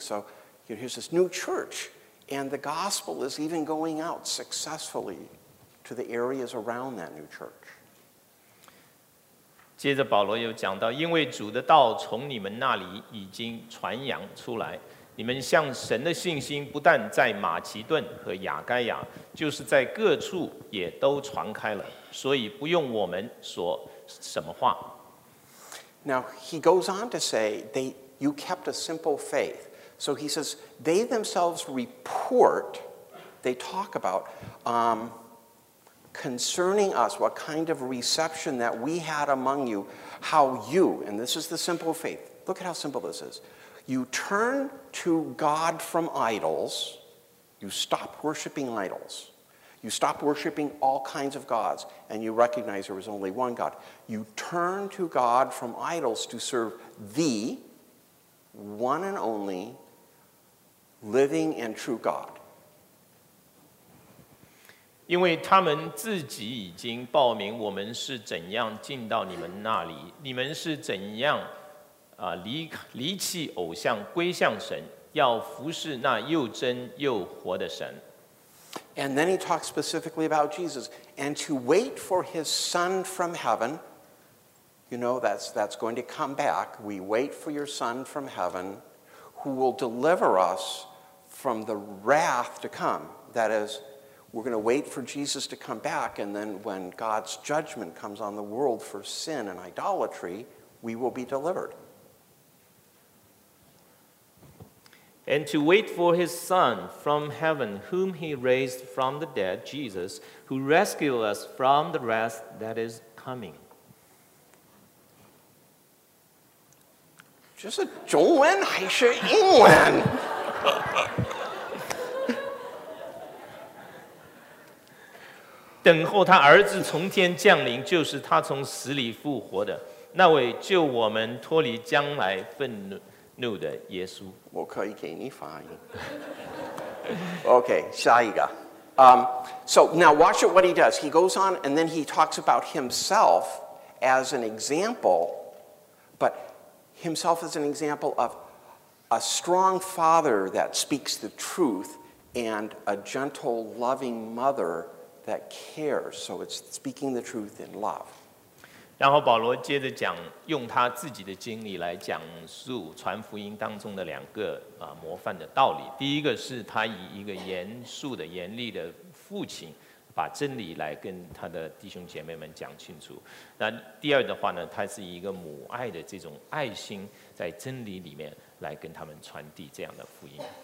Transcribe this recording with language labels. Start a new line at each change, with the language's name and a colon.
English: So here's this new church. And the gospel is even going out successfully to the areas around that new church.
Chinese: 接着保罗又讲到，因为主的道从你们那里已经传扬出来，你们向神的信心不但在马其顿和亚该亚，就是在各处也都传开了，所以不用我们说什么话。
English: Now he goes on to say, you kept a simple faith. So he says, they themselves report, they talk about, concerning us, what kind of reception that we had among you, how you, and this is the simple faith, look at how simple this is, you turn to God from idols, you stop worshiping idols, you stop worshiping all kinds of gods, and you recognize there is only one God. You turn to God from idols to serve the one and only Living and true God.
Chinese: 因为他们自己已经报名我们是怎样进到你们那里，你们是怎样离弃偶像归向神，要服侍那又真又活的神。
English: And then he talks specifically about Jesus and to wait for his son from heaven. You know, that's going to come back. We wait for your son from heaven who will deliver us. From the wrath to come. That is, we're going to wait for Jesus to come back, and then when God's judgment comes on the world for sin and idolatry, we will be delivered. And to wait for his son from heaven, whom he raised from the dead, Jesus, who rescued us from the wrath that is coming.
Chinese: 就是中文还是英文？等候他儿子从天降临，就是他从死里复活的那位，救我们脱离将来愤怒的耶稣。我可以给你翻译。OK， 下一个。
English: So now watch what he does. He goes on and then he talks about himself as an example, but himself as an example of a strong father that speaks the truth and a gentle, loving mother that cares. So it's speaking the truth in love.
Chinese: 然后保罗接着讲，用他自己的经历来讲述传福音当中的两个模范的道理。第一个是他以一个严肃的、严厉的父亲，把真理来跟他的弟兄姐妹们讲清楚。那第二的话呢，他是以一个母爱的这种爱心，在真理里面来跟他们传递这样的福音。